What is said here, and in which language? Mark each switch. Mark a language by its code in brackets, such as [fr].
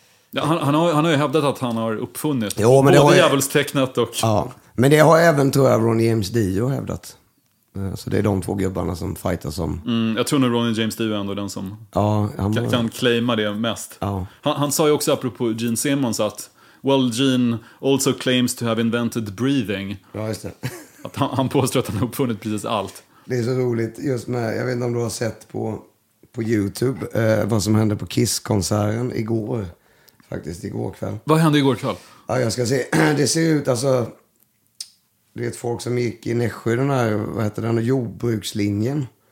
[sv] Ja, han har ju hävdat att han har uppfunnit både djävulstecknet och... Ja, men det har även, tror jag, Ronnie James Dio hävdat. Så det är de två gubbarna som fightar som... Jag tror nog Ronnie James Dio är ändå den som kan claima det mest. Ja. Han sa ju också apropå Gene Simmons att... [en] Well, Gene also claims to have invented breathing. [sv] Ja, just det. Att han påstår att han har uppfunnit precis allt. Det är så roligt just med... Jag vet inte om du har sett på YouTube vad som hände på Kiss-konserten igår. Faktiskt igår kväll. Vad hände igår kväll? Ja, jag ska se. Det ser ut alltså... Du vet, folk som gick i Nässjö, den här, vad heter den, jordbrukslinjen.